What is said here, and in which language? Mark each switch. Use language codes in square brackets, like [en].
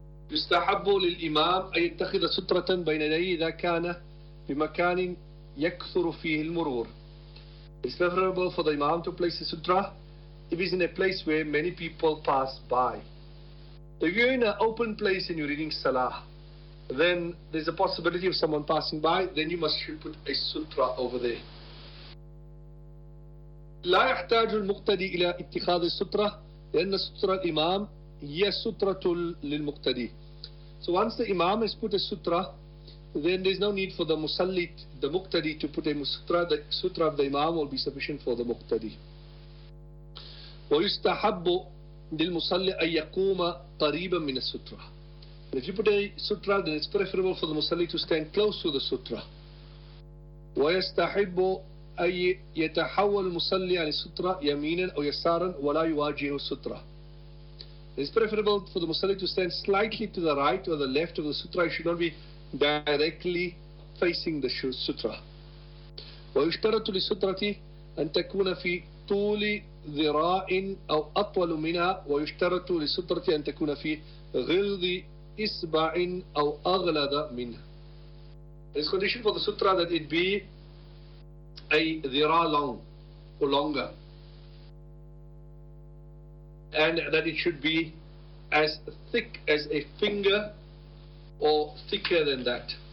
[ar] يُسْتَحَبُّ لِلْإِمَامِ أَنْ يَتَّخِذَ سُتْرَةً بَيْنَ يَدَيْهِ إِذَا كَانَ بِمَكَانٍ يَكْثُرُ فِيهِ الْمُرُورِ [en] It's preferable for the Imam to place a sutra if he's in a place where many people pass by. If you're in an open place and you're reading Salah, then there's a possibility of someone passing by, then you must should put a sutra over there. [ar] لا يحتاج المقتدي إلى اتخاذ السترة لأن سترة الإمام هي سترة للمقتدي. [en] So once the Imam has put a sutra, then there's no need for the musalli, the muqtadi, to put a sutra. The sutra of the Imam will be sufficient for the muqtadi. [ar] ويستحب للمصلي أن يقوم قريبا من السترة. [en] And if you put a sutra, then it's preferable for the musalli to stand close to the sutra. [ar] ويستحب أي يتحول المصلي عن السترة يمينا أو يسارا ولا يواجه السترة. [en] It's preferable for the musalli to stand slightly to the right or the left of the sutra. It should not be directly facing the sutra. [ar] ويشترط للسترة أن تكون في طول ذراع أو أطول منها ويشترط للسترة أن تكون في غلظ إصبع أو أغلظ منها. [en] It's condition for the sutra that it be a dhira long or longer, and that it should be as thick as a finger or thicker than that.